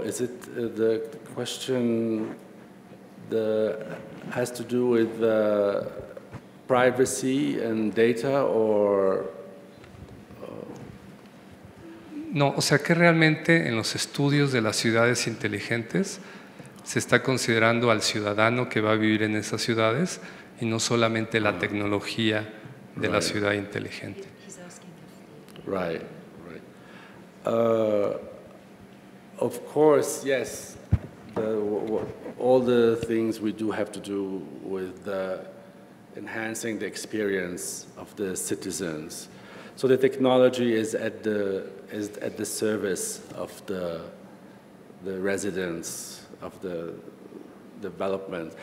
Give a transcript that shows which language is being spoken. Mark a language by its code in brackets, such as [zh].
[en] Is it the question that has to do with privacy and data, or? [es] No, o sea, ¿qué realmente en los estudios de las ciudades inteligentes se está considerando al ciudadano que va a vivir en esas ciudades y no solamente la tecnología de la ciudad inteligente? [en] Right. Of course, yes, all the things we do have to do with the enhancing the experience of the citizens. So the technology is at the service of the residents, of the development.